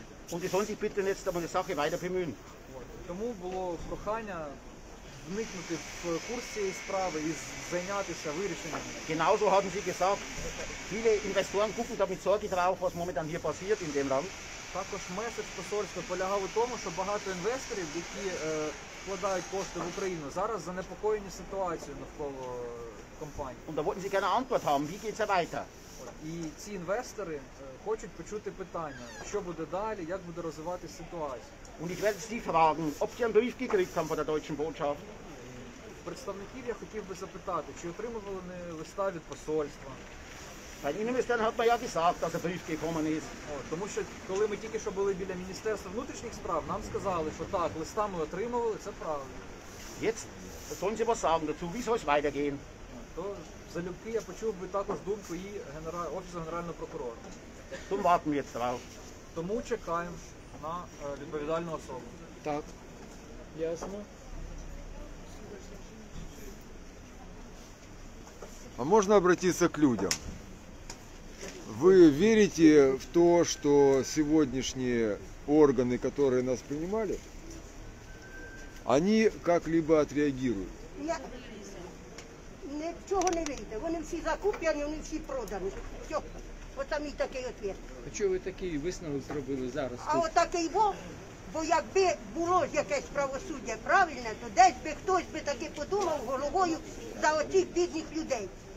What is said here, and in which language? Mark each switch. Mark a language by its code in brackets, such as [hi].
[de] Und die sollen sich bitte jetzt um die Sache weiter bemühen. [uk] Тому було прохання вникнути в курс цієї справи і зайнятися вирішенням. [de] Genauso haben sie gesagt, viele Investoren gucken da mit Sorge drauf, was momentan hier passiert in dem Land. [uk] Також меседж посольства полягав у тому, що багато інвесторів, які вкладають кошти в Україну, зараз занепокоєні ситуацією навколо компанії. [de] Und da wollten sie gerne Antwort haben, wie geht's weiter? [uk] І ці інвестори хочуть почути питання, що буде далі, як буде розвиватися ситуація. [de] Und ich werde Sie fragen, ob Sie einen Brief gekriegt haben von der deutschen Botschaft. [uk] Представників я хотів би запитати, чи отримували вони листа від посольства. [de] Bei den Ministern hat man ja gesagt, dass ein Brief gekommen ist. [uk] Тому що, коли ми тільки що були біля Міністерства внутрішніх справ, нам сказали, що так, листа ми отримували, це правда. [de] Jetzt sollen Sie was sagen dazu, wie soll es weitergehen? [uk] То, залюбки, я почув би також думку і Офісу Генерального прокурора. Тому [de] warten wir jetzt drauf. [uk] Тому чекаємо на відповідальну особу. Так, ясно. [ru] А можна обратиться к людям? Вы верите в то, что сегодняшние органы, которые нас принимали, они как-либо отреагируют? [uk] Я... нічого не вийде. Вони всі закуплені, вони всі продані. Все. От там і такий відповідь. А чого ви такий висновок зробили зараз? А от такий бо. Бо якби було якесь правосуддя правильне, то десь би хтось би таки подумав головою за оцих бідних людей.